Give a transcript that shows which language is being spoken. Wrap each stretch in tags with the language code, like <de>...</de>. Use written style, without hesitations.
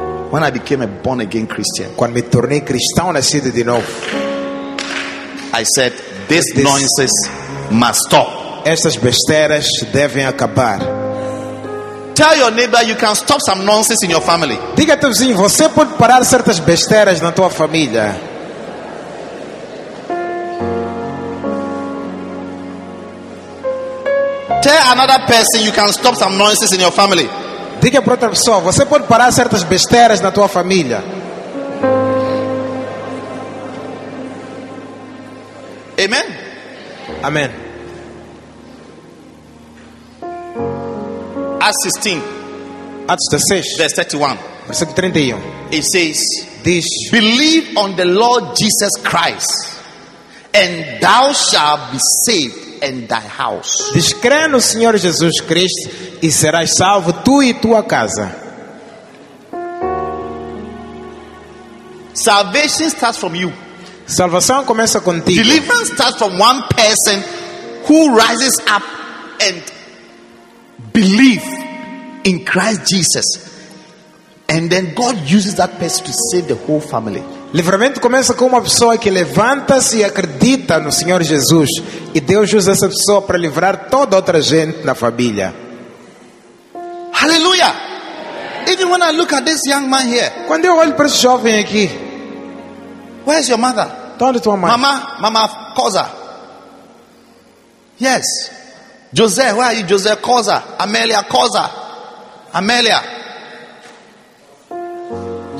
<en>When I became a born again Christian,</en> <pt>quando me tornei cristão nascido de novo,</pt> <en>I said, this nonsense must stop.</en> <pt>Estas besteiras devem acabar.</pt> <en>Tell your neighbor you can stop some nonsense in your family.</en> <pt>Diga a teu vizinho, você pode parar certas besteiras na tua família.</pt> <en>Tell another person you can stop some nonsense in your family.</en> <pt>Diga para outra pessoa, você pode parar certas besteiras na tua família.</pt> <en>Amen.</en> <pt>Amen.</pt> <en>Acts 16, verse 31. It says, "This believe on the Lord Jesus Christ, and thou shalt be saved, and thy house.</en> <pt>Descrê no Senhor Jesus Cristo e serás salvo tu e tua casa.</pt> <en>Salvation starts from you.</en> <pt>Salvação começa contigo.</pt> <en>Deliverance starts from one person who rises up and believe in Christ Jesus. And then God uses that person to save the whole family.</en> <pt>Livramento começa com uma pessoa que levanta-se e acredita no Senhor Jesus, e Deus usa essa pessoa para livrar toda outra gente na família. Aleluia!</pt> <en>Even when I look at this young man here.</en> <pt>Quando eu olho para esse jovem aqui.</pt> <en>Where's your mother?</en> <pt>Onde tua mãe?</pt> <en>Mama Cosa. Yes. José, where are you? José Cosa. Amélia Cosa. Amélia.</en>